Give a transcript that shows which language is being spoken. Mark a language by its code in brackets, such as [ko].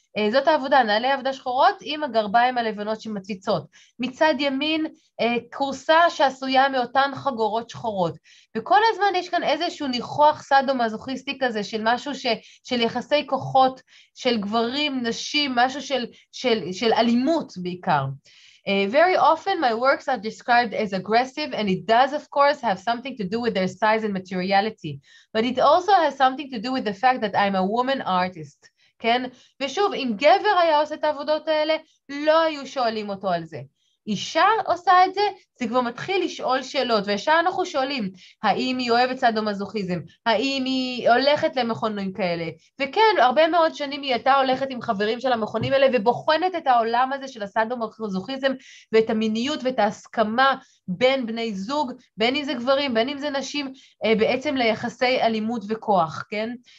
[he] זאת העבודה, נעלי עבודה שחורות עם הגרביים הלבנות שמציצות. מצד ימין, קורסה שעשויה מאותן חגורות שחורות. וכל הזמן יש כאן איזשהו ניחוח סאדו-מזוכיסטי כזה, של משהו של יחסי כוחות, של גברים, נשים, משהו של אלימות בעיקר. [en] Very often my works are described as aggressive, and it does of course have something to do with their size and materiality, but it also has something to do with the fact that I'm a woman artist. [he] כן? ושוב, אם גבר היה עושה את העבודות האלה, לא היו שואלים אותו על זה. אישה עושה את זה, זה כבר מתחיל לשאול שאלות, ואישה אנחנו שואלים, האם היא אוהבת סאדו-מזוכיזם, האם היא הולכת למכונים כאלה, וכן, הרבה מאוד שנים היא הייתה הולכת עם חברים של המכונים האלה, ובוחנת את העולם הזה של הסאדו-מזוכיזם, ואת המיניות ואת ההסכמה בין בני זוג, בין אם זה גברים, בין אם זה נשים, בעצם ליחסי אלימות וכוח, כן?